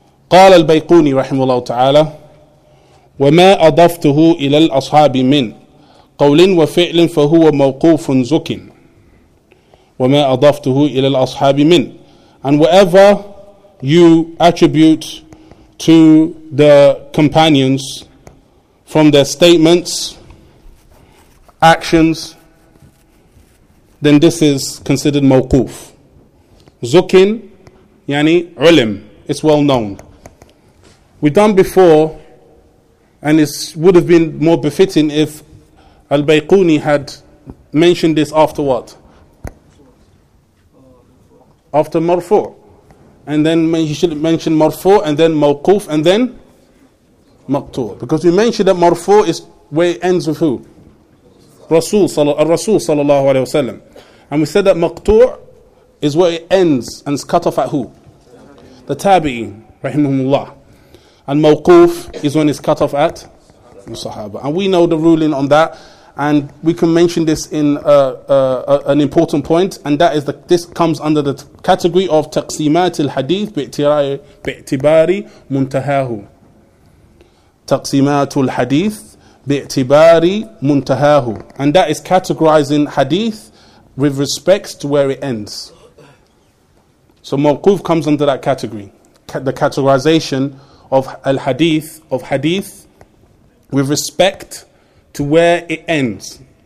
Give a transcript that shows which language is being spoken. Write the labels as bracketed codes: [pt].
[ar] قال البيقوني رحمه الله تعالى وما أضفته إلى الأصحاب من قول وفعل فهو موقوف زك وما أضفته إلى الأصحاب من. [en] And whatever you attribute to the companions from their statements, actions, then this is considered موقوف [ar] زك يعني علم. [en] It's well known. We've done before, and it would have been more befitting if Al-Bayquni had mentioned this after what? After Marfu. And then he should mention Marfu, and then Mawquf, and then [ar] مقطوع. [en] Because we mentioned that مرفوع is where it ends with who? [ar] الرسول صلى الله عليه وسلم. [en] And we said that مقطوع is where it ends and is cut off at who? [ar] The تابعين رحمهم الله. [en] And موقوف is when it's cut off at الصحابه. And we know the ruling on that. And we can mention this in an important point, and that is that this comes under the category of [ar] تقسيمات الحديث باعتبار منتهاه. تقسيمات الحديث باعتبار منتهاه. [en] And that is categorizing hadith with respect to where it ends. So موقوف comes under that category. The categorization of الحديث, of hadith with respect to where it ends.